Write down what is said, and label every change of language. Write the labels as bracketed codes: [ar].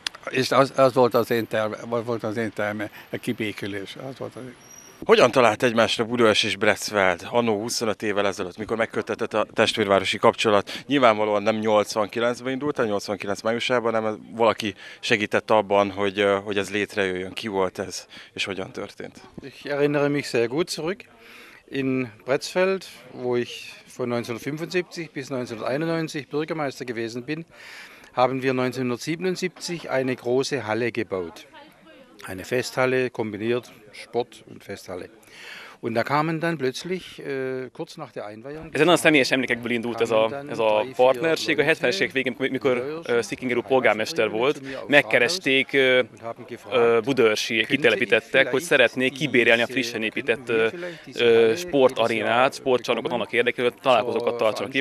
[hu] És az volt az én terve, a kibékülés, az volt az. Hogyan talált egymásra Budaörs és Breszfeld anno 25 évvel ezelőtt, mikor megkötetett a testvérvárosi kapcsolat? Nyilvánvalóan nem 89-ben indult, hanem 89 májusában, hanem valaki segített abban, hogy ez létrejöjjön. Ki volt ez, és hogyan történt? [de] Ich erinnere mich sehr gut zurück in Breszfeld, wo ich von 1975 bis 1991 Bürgermeister gewesen bin. Haben wir 1977 eine große Halle gebaut. Eine Festhalle kombiniert Sport und Festhalle. Und da kamen dann plötzlich kurz nach der Einweihung. [hu] Ez nagyon személyes emlékekből indult ez a partnerség. A 70-es évek végén, mikor Szikinger úr polgármester volt, megkeresték budaörsi kitelepítettek, hogy szeretnék kibérelni a frissen épített sportarénát, sportcsarnokot annak érdekében, hogy találkozókat tartsanak.